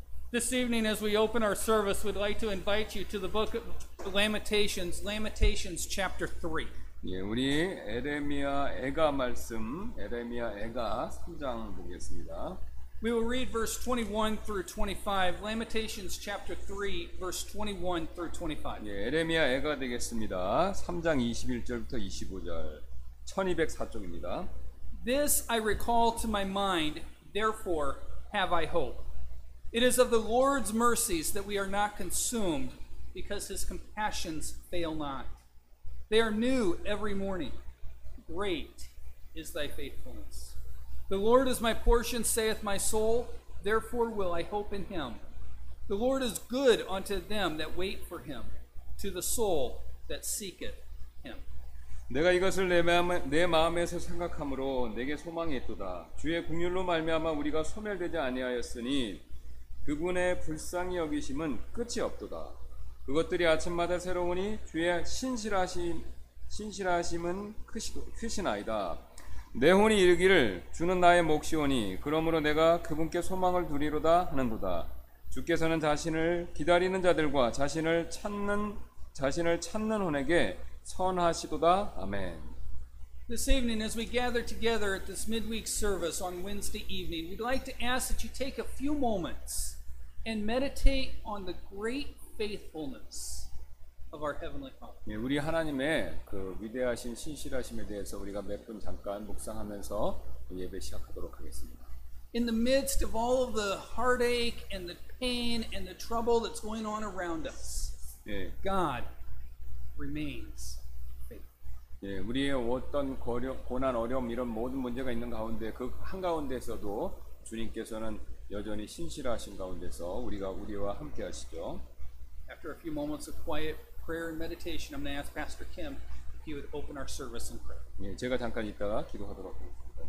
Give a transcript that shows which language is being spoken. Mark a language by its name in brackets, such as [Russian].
[English] This evening, as we open our service, we'd like to invite you to the book of Lamentations, Lamentations chapter 3. [Korean] 예, 우리 에레미야 애가 말씀, 에레미야 애가 3장 보겠습니다. [English] We will read verse 21 through 25, Lamentations chapter 3, verse 21 through 25. [Korean] 예, 에레미야 애가 되겠습니다. 3장 21절부터 25절, 1204쪽입니다. [English] This I recall to my mind, therefore have I hope. It is of the Lord's mercies that we are not consumed, because his compassions fail not. They are new every morning. Great is thy faithfulness. The Lord is my portion, saith my soul, therefore will I hope in him. The Lord is good unto them that wait for him, to the soul that seeketh him. [Korean] 내가 이것을 내 마음에서 생각함으로 내게 소망이 있도다. 주의 긍휼로 말미암아 우리가 소멸되지 아니하였으니 그분의 불쌍히 여기심은 끝이 없도다. 그것들이 아침마다 새로우니 주의 신실하심은 크시나이다. 내 혼이 이르기를 주는 나의 몫이오니 그러므로 내가 그분께 소망을 두리로다 하는도다. 주께서는 자신을 기다리는 자들과 자신을 찾는 혼에게 선하시도다. 아멘. [English] This evening, as we gather together at this midweek service on Wednesday evening, we'd like to ask that you take a few moments and meditate on the great faithfulness of our Heavenly Father. [Korean] 예, 우리 하나님의 그 위대하신 신실하심에 대해서 우리가 몇 분 잠깐 묵상하면서 예배 시작하도록 하겠습니다. [English] In the midst of all of the heartache and the pain and the trouble that's going on around us, [Korean] 예. [English] God remains. [Korean] 예, 우리의 어떤 고난, 어려움 이런 모든 문제가 있는 가운데 그 한 가운데서도 주님께서는 여전히 신실하신 가운데서 우리와 함께 하시죠. [English] After a few moments of quiet prayer and meditation, I'm going to ask Pastor Kim if he would open our service in prayer. [Korean] 예, 제가 잠깐 있다가 기도하도록 하겠습니다.